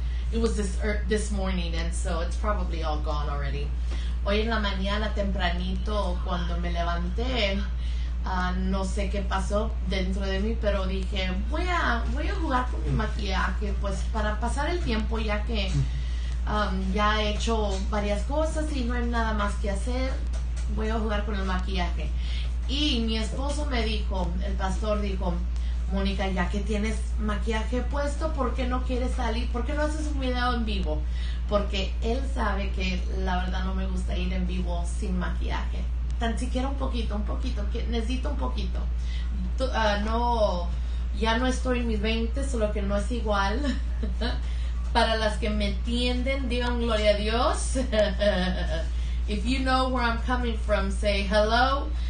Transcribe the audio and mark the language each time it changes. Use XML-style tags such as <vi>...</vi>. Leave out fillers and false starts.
<en>It was this morning, and so it's probably all gone already.</en> <es>Hoy en la mañana tempranito cuando me levanté, no sé qué pasó dentro de mí, pero dije, voy a jugar con mi maquillaje, pues para pasar el tiempo, ya que ya he hecho varias cosas y no hay nada más que hacer, voy a jugar con el maquillaje. Y mi esposo me dijo, el pastor dijo, Mónica, ya que tienes maquillaje puesto, ¿por qué no quieres salir? ¿Por qué no haces un video en vivo? Porque él sabe que la verdad no me gusta ir en vivo sin maquillaje. Tan siquiera un poquito, que necesito un poquito. No, ya no estoy en mis 20, solo que no es igual. Para las que me entienden, digan gloria a Dios.</es> <en>If you know where I'm coming from, say hello.</en>